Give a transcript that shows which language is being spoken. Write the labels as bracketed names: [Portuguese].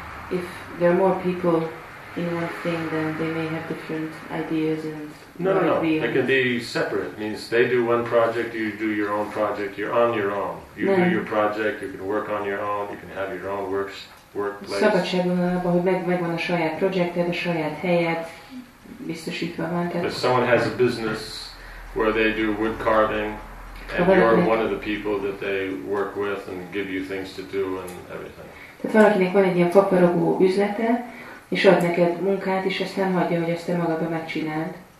[English] If there are more people in one thing, then they may have different ideas and... No. It can be separate. It means they do one project, you do your own project, you're on your own. You do your project, you can work on your own, you can have your own workplace. [Hungarian] Szabadság van abban, hogy megvan a saját projekted, a saját helyed, biztosítva van. [English] If someone has a business where they do wood carving, and you're one of the people that they work with and give you things to do and everything. [Hungarian] Tehát valakinek van egy ilyen faparogó üzlete, és ad neked munkát, és ezt nem hagyja, hogy ezt te magad megcsináld.